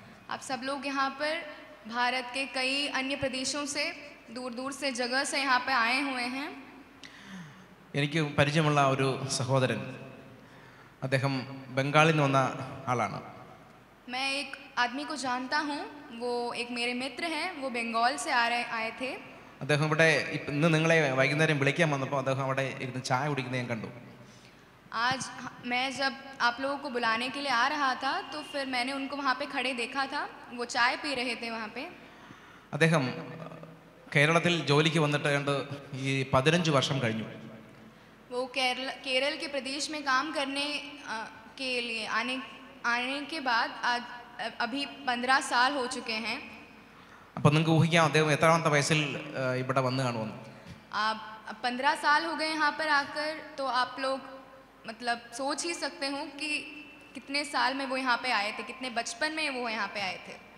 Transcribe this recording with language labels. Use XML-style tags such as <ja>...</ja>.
<hi>आप सब लोग यहां पर भारत के कई अन्य प्रदेशों से दूर दूर से जगह से यहां पे आए हुए हैं</hi> <ml>എനിക്ക് പരിചയമുള്ള ഒരു സഹോദരൻ അദ്ദേഹം ബംഗാളിൽ നിന്ന് വന്ന ആളാണ്</ml> <hi>मैं एक आदमी को जानता हूं वो एक मेरे मित्र हैं वो बंगाल से आए थे</hi> <ml>അദ്ദേഹം ഇവിടെ ഇന്ന് നിങ്ങളെ വൈകുന്നേരം വിളിക്കാൻ വന്നപ്പോൾ അദ്ദേഹം അവിടെ ഇരുന്ന് ചായ കുടിക്കുന്നത് ഞാൻ കണ്ടു</ml> <hi>आज मैं जब आप लोगों को बुलाने के लिए आ रहा था तो फिर मैंने उनको वहां पे खड़े देखा था वो चाय पी रहे थे वहां पे</hi> <ml>അദ്ദേഹം കേരളത്തിൽ ജോലിക്ക് വന്നിട്ട് ഈ 15 വർഷം കഴിഞ്ഞു</ml> <hi>वो केरल के प्रदेश में काम करने के लिए आने के बाद आज अभी 15 साल हो चुके हैं</hi> <ml>അപ്പോൾ നിങ്ങൾക്ക് ഊഹിക്കാം അദ്ദേഹം എത്രാമത്തെ വയസ്സിൽ ഇവിടെ വന്നു കാണുന്നു</ml> <hi>ആ 15 साल हो गए यहां पर आकर तो आप लोग मतलब सोच ही सकते हो कि कितने साल में वो यहां पे आए थे कितने बचपन में वो यहां पे आए थे</hi>